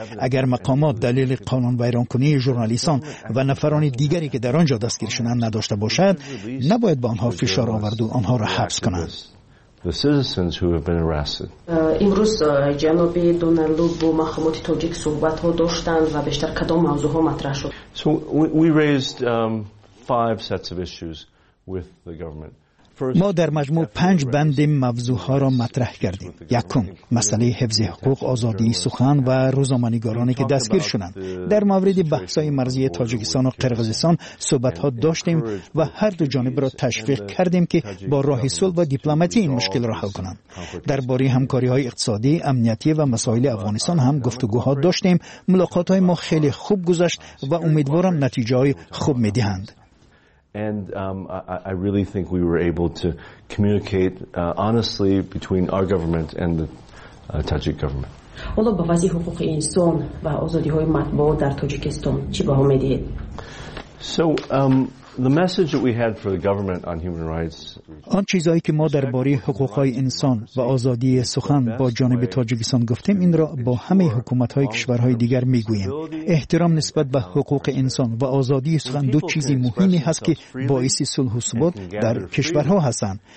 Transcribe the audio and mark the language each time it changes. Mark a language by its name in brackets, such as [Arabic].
[Persian] اگر مقامات دلیل قانون ویران کنی ژورنالیستان و نفران دیگری که در آنجا دستگیر شدند نداشته باشد، نباید به آنها فشار آورد و آنها را حبس کنند. [English] The citizens who have been arrested. [Persian] امروز جنوبی دونالدو با مخامات تاجیک صحبت ها داشتند و بیشتر کدام موضوع ها مطرح شد؟ [English] So we raised five sets of issues with the government. [Persian] ما در مجموع پنج بند موضوعها را مطرح کردیم. یکم، مسئله حفظ حقوق، آزادی سخن و روزنامه‌نگارانی که دستگیر شدند. در مورد بحث‌های مرزی تاجیکستان و قرقیزستان صحبت‌ها داشتیم و هر دو جانب را تشویق کردیم که با راه صلح و دیپلماتی این مشکل را حل کنند. درباره همکاری‌های اقتصادی، امنیتی و مسائل افغانستان هم گفتگوها داشتیم. ملاقات‌های ما خیلی خوب گذشت و امیدوارم نتایج خوب می‌دهند. [English] And I really think we were able to communicate honestly between our government and the Tajik government. [Tajik] Олу ба вазиҳи ҳуқуқи инсон ва озодиҳои матбуот дар Тоҷикистон чӣ баҳо медиҳед? [English] So the message that we had for the government on human rights. [Tajik] Он чизҳое ки мо дар бораи ҳуқуқҳои инсон ва озодии сухан ба ҷониби Тоҷикистон гуфтем, инро бо ҳамаи ҳукуматҳои кишварҳои дигар мегӯем. Эҳтиром нисбат ба ҳуқуқи инсон ва озодии сухан ду чизи муҳиме ҳаст ки боиси сулҳ ва субот дар кишварҳо ҳастанд.